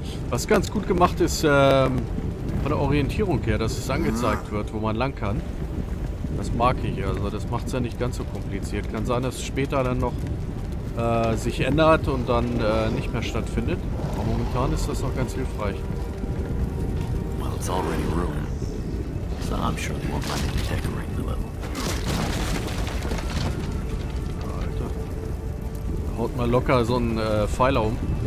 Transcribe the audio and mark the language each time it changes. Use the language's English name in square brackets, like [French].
[German] Was ganz gut gemacht ist, von der Orientierung her, dass es angezeigt wird, wo man lang kann. Das mag ich. Also das macht's ja nicht ganz so kompliziert. Kann sein, dass es später dann noch sich ändert und dann nicht mehr stattfindet. Aber momentan ist das noch ganz hilfreich. [English] Well, it's already ruined. So I'm sure they won't mind me decorating the level. [German] Alter. Haut mal locker so einen Pfeiler um.